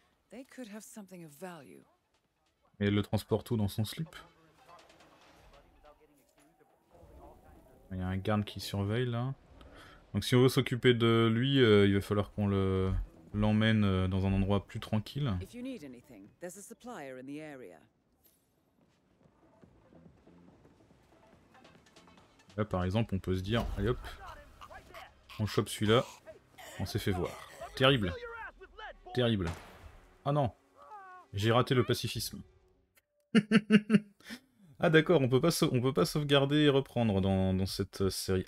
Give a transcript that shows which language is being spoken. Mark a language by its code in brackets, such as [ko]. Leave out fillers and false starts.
[en] They could have something of value. [fr] Et elle le transporte où dans son slip? Il y a un garde qui surveille là. Donc si on veut s'occuper de lui, il va falloir qu'on l'emmène dans un endroit plus tranquille. [en] If you need anything, there's a supplier in the area. [fr] Là par exemple, on peut se dire, allez hop, on chope celui-là, on s'est fait voir. Terrible. Terrible. Ah non, j'ai raté le pacifisme. Ah d'accord, on peut pas sauvegarder et reprendre dans cette série.